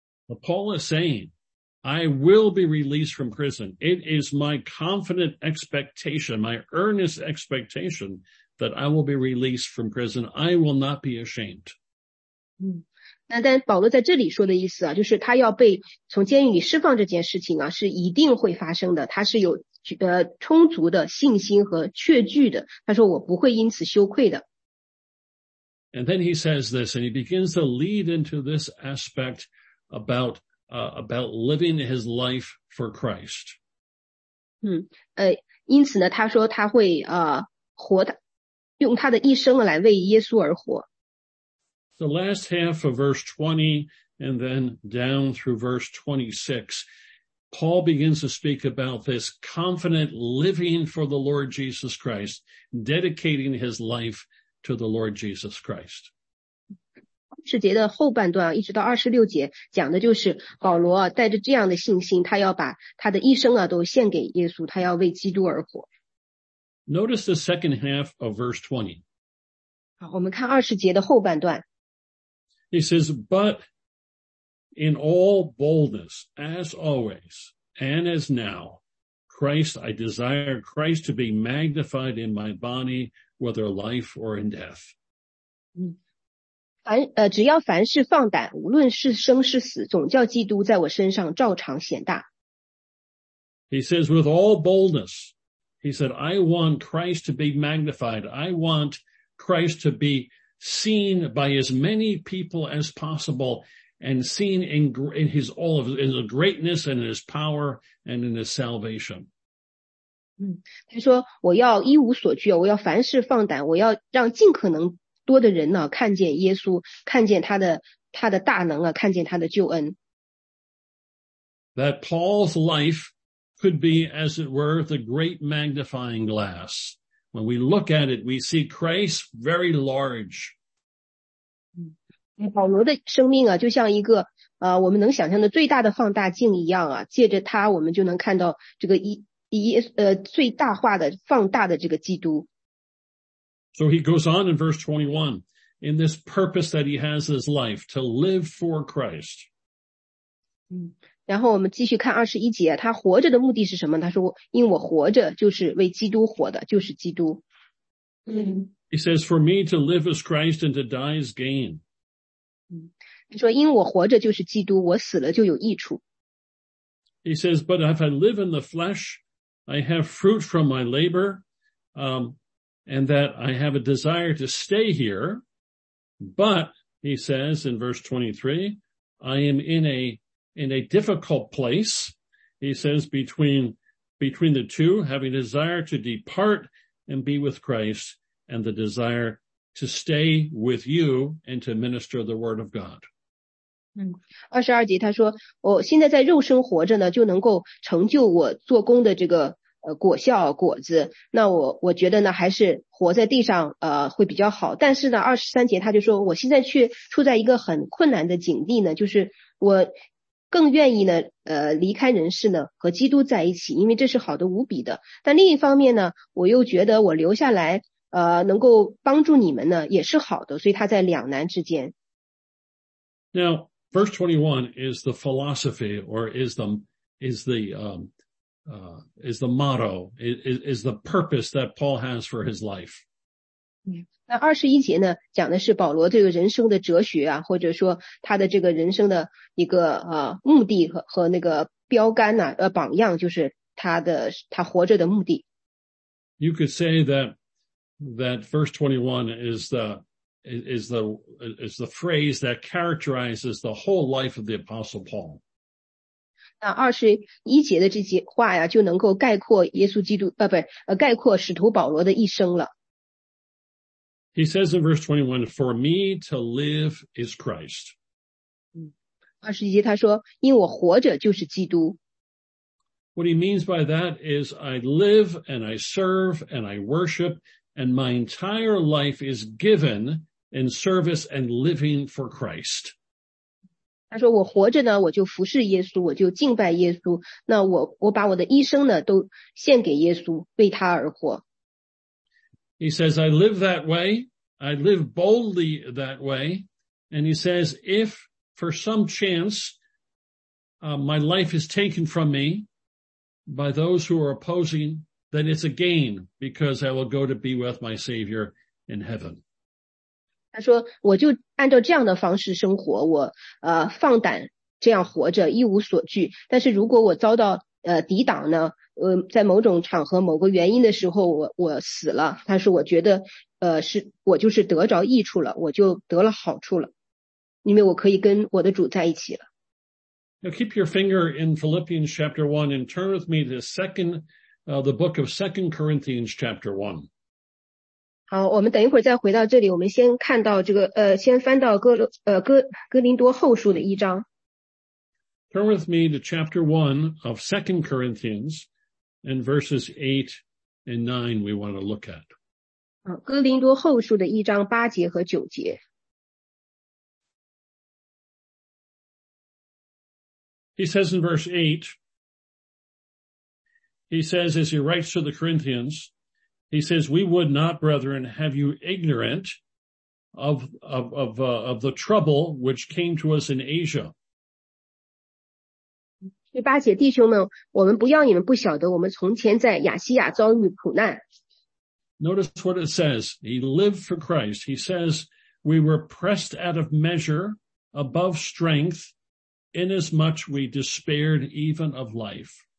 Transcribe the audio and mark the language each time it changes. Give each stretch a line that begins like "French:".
English: But Paul is saying, I will be released from prison. It is my confident expectation, my earnest expectation that I will be released from prison. I will not be ashamed.
Chinese: 那但保罗在这里说的意思啊，就是他要被从监狱里释放这件事情啊，是一定会发生的。他是有充足的信心和确据的。他说我不会因此羞愧的。
English: And then he says this, and he begins to lead into this aspect about living his life for Christ.
Chinese: 因此呢，他说他会活的，用他的一生来为耶稣而活。
English: The last half of verse 20 and then down through verse 26, Paul begins to speak about this confident living for the Lord Jesus Christ, dedicating his life to the Lord Jesus Christ.
Chinese: 20节的后半段一直到26节讲的就是保罗带着这样的信心，他要把他的一生都献给耶稣，他要为基督而活。
English: Notice the second half of verse 20.
Chinese: 好，我们看20节的后半段。
English: He says, but in all boldness, as always, and as now, Christ, I desire Christ to be magnified in my body, whether life or in death.
Chinese: 只要凡事放胆，无论是生是死，总叫基督在我身上照常显大。
English: He says with all boldness, he said, I want Christ to be magnified. I want Christ to be seen by as many people as possible and seen in his all of his greatness and in his power and in his salvation.
Chinese: 他说我要一无所惧，我要凡事放胆，我要让尽可能多的人呢看见耶稣，看见他的大能啊，看见他的救恩。
English: That Paul's life could be, as it were, the great magnifying glass. When we look at it, we see Christ very large.
Chinese: 保罗的生命啊，就像一个我们能想象的最大的放大镜一样啊，借着他，我们就能看到这个最大化的放大的这个基督。
English: So he goes on in verse 21, in this purpose that he has his life, to live for Christ.
Chinese: 然后我们继续看21节，他活着的目的是什么？他说，因我活着就是为基督活的，就是基督。
English: He says, for me to live is Christ and to die is gain.
Chinese: 他说，因我活着就是基督，我死了就有益处。
English: He says, but if I live in the flesh, I have fruit from my labor, and that I have a desire to stay here, but, he says in verse 23, I am in a difficult place, he says, between the two, having a desire to depart and be with Christ, and the desire to stay with you and to minister the word of God.
Chinese: 22节他说，我现在在肉身活着呢，就能够成就我做工的这个果效果子，那我觉得呢还是活在地上会比较好，但是呢23节他就说，我现在却处在一个很困难的境地呢，就是我更愿意呢离开人世呢和基督在一起，因为这是好的无比的，但另一方面呢我又觉得我留下来能够帮助你们呢也是好的，所以他在两难之间。
English: Now verse 21 is the philosophy or is the motto, is the purpose that Paul has for his life.
Chinese: 那21节呢讲的是保罗这个人生的哲学啊，或者说他的这个人生的一个目的 和那个标杆啊榜样，就是他活着的目的。
English: You could say that verse 21 is the phrase that characterizes the whole life of the apostle Paul.
Chinese: 那21节的这些话呀，就能够概括耶稣基督，概括使徒保罗的一生了。
English: He says in verse 21, for me to live is Christ.
Chinese: 21节他说，因我活着就是基督。
English: What he means by that is I live and I serve and I worship and my entire life is given in service and living for Christ.
Chinese: 他说我活着呢我就服侍耶稣，我就敬拜耶稣，那我把我的一生呢都献给耶稣，为他而活。
English: He says, I live that way, I live boldly that way, and he says, if for some chance, my life is taken from me by those who are opposing, then it's a gain because I will go to be with my Savior in heaven.
Chinese: 他说我就按照这样的方式生活，我放胆这样活着一无所惧，但是如果我遭到抵挡呢，在某种场合某个原因的时候我死了，但是我觉得是我就是得着益处了，我就得了好处了，因为我可以跟我的主在一起了。
English: Now keep your finger in Philippians chapter 1 and turn with me to the book of 2 Corinthians chapter 1.
Chinese: 好，我们等一会儿再回到这里，我们先看到这个先翻到哥林多后书的一章。
English: Turn with me to chapter 1 of 2 Corinthians and verses 8 and 9 we want to look at.
Chinese: 哥林多后书的一章八节和九节。
English: He says in verse 8, he says as he writes to the Corinthians,He says, we would not, brethren, have you ignorant of the trouble which came to us in Asia.
Chinese: 第八节，弟兄们，我们不要你们不晓得，我们从前在亚西亚遭遇苦难。
English: Notice what it says. He lived for Christ. He says, we were pressed out of measure, above strength, inasmuch we despaired even of life.